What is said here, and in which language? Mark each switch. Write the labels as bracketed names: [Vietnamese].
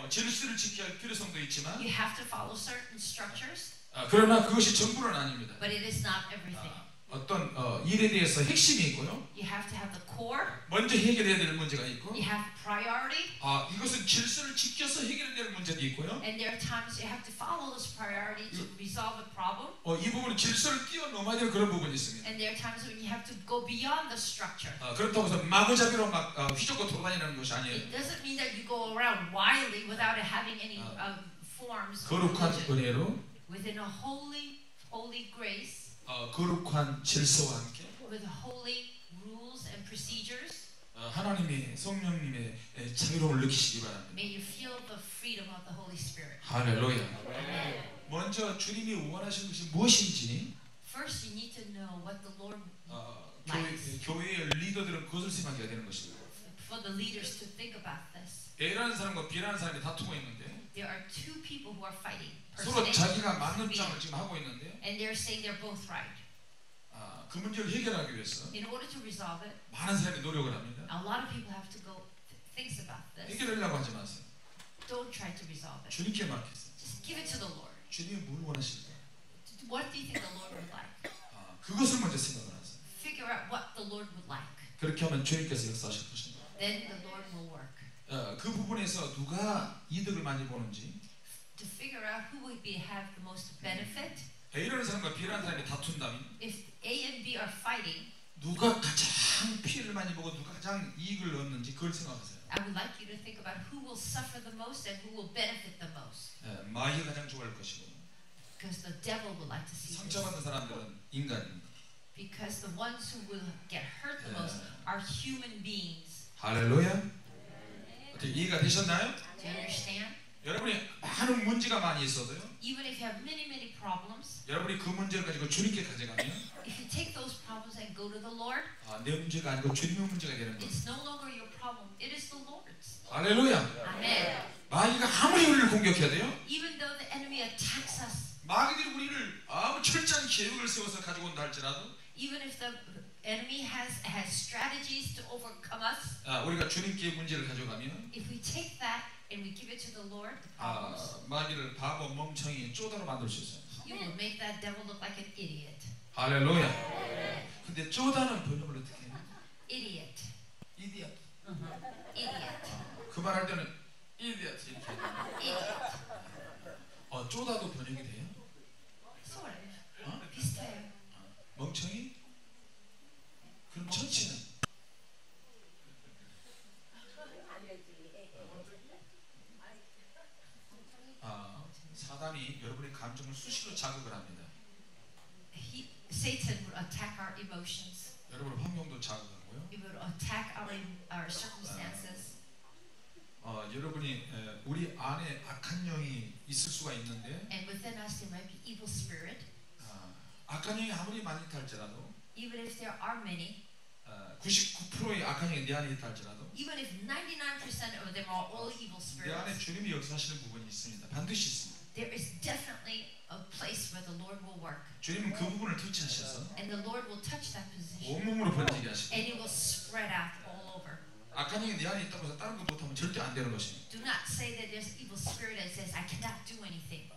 [Korean] 질서를 지켜야 할 필요성도 있지만. [English] You have to follow certain structures. [Korean] 그러나 그것이 전부는 아닙니다. [English] But it is not everything. [Korean] 어떤 일에 대해서 핵심이 있고요. [English] You have to have the core. [Korean] 먼저 해결해야 될 문제가 있고. [English] You have priority. [Korean] 이것은 질서를 지켜서 해결될 문제도 있고요. [English] And there are times you have to follow those priorities to resolve a problem. [Korean] 이 부분은 질서를 뛰어넘어야 될 그런 부분이 있습니다. [English] And there are times when you have to go beyond the structure. [Korean] 그렇다고 해서 마구잡이로 막 휘젓고 돌아다니는 것이 아니에요. [English] It doesn't mean that you go around wildly without having any forms. [Korean] 거룩한 은혜로. [English] Within a holy grace. [Korean] 거룩한 질서와 함께 [English] With holy rules and procedures, [Korean] 하나님의 성령님의 자유로움을 느끼시기 바랍니다. [English] May you feel the freedom of the Holy Spirit. [Korean] 할렐루야. [English] Amen. [Korean] 먼저 주님이 원하시는 것이 무엇인지 [English] First you need to know what the Lord likes. [Korean] 교회의 리더들은 그것을 생각해야 되는 것입니다. [English] For the leaders to think about this. [Korean] A라는 사람과 B라는 사람이 다투고 있는데 [English] There are two people who are fighting. [Korean] 서로 자기가 맞는 주장을 지금 하고 있는데요. [English] And they're saying they're both right. [Korean] 그 문제를 해결하기 위해서 [English] In order to resolve it, [Korean] 많은 사람이 노력을 합니다. [English] A lot of people have to go think about this. [Korean] 해결하려고 하지 마세요. [English] Don't try to resolve it. [Korean] 주님께 맡기세요. [English] Just give it to the Lord. [Korean] 주님이 뭘 원하실까? [English] What do you think the Lord would like? [Korean] 그것을 먼저 생각을 하세요. [English] Figure out what the Lord would like. [Korean] 그렇게 하면 주님께서 역사하실 것입니다. [English] Then the Lord will work. [Korean] 그 부분에서 누가 이득을 많이 보는지 [English] To figure out who would be have the most benefit. [Korean] A라는 사람과 B라는 사람이 다툰다면, [English] if A and B are fighting, [Korean] 누가 가장 피해를 많이 보고 누가 가장 이익을 얻는지 그걸 생각하세요. [English] I would like you to think about who will suffer the most and who will benefit the most. [Korean] 마귀가 가장 좋아할 것이고, [English] because the devil would like to see. [Korean] 상처받는 사람들은 인간입니다. [English] Because the ones who will get hurt the most are human beings. [Korean] 할렐루야. 어떻게 이해가 되셨나요? [English] Do you understand? [Korean] 여러분이 많은 문제가 많이 있어도요. [English] Even if you have many problems. [Korean] 여러분이 그 문제를 가지고 주님께 가져가면. [English] If you take those problems and go to the Lord. [Korean] 내 문제가 아니고 주님의 문제가 되는 거예요. [English] It's no longer your problem. It is the Lord's. [Korean] 할렐루야. 아멘. 마귀가 아무리 우리를 공격해도요. [English] Even though the enemy attacks us. [Korean] 마귀들이 우리를 아무 철저한 계획을 세워서 가지고 온다 할지라도. [English] Even if the enemy has strategies to overcome us. [Korean] 우리가 주님께 문제를 가져가면. [English] If we take that. And we give it to the Lord. [Korean] 마귀를 바보, 멍청이, 쪼다로 만들 수 있어요. [English] You will make that devil look like an idiot. [Korean] 할렐루야. 근데 쪼다는 번역을 어떻게 해요? [English] Idiot. Idiot. Idiot. [Korean] 그 말할 때는 idiot 이렇게. [English] Idiot. [Korean] 쪼다도 번역이 돼요? [English] Sort of. [Korean] 비슷해요. 멍청이? 그럼 천치는? 사단이 여러분의 감정을 수시로 자극을 합니다. [English] Satan will attack our emotions. [Korean] 여러분의 환경도 자극하고요. [English] It will attack our circumstances. [Korean] 여러분이 우리 안에 악한 영이 있을 수가 있는데. [English] And within us there might be evil spirit. [Korean] 악한 영이 아무리 많이 탈지라도. [English] Even if there are many. [Korean] 99%의 악한 영이 내 안에 탈지라도. [English] Even if 99% of them are all evil spirits. [Korean] 내 안에 주님이 역사하시는 부분이 있습니다. 반드시 있습니다. [English] There is definitely a place where the Lord will work. [Korean] 주님은 그 부분을 터치하셔서 [English] And the Lord will touch that position. [Korean] 온몸으로 번지게 하십니다. [English] And it will spread out all over. [Korean] 악한 영이 내 안에 있다고 해서 다른 것 못하면 절대 안 되는 것입니다. [English] Do not say that there's evil spirit that says I cannot do anything.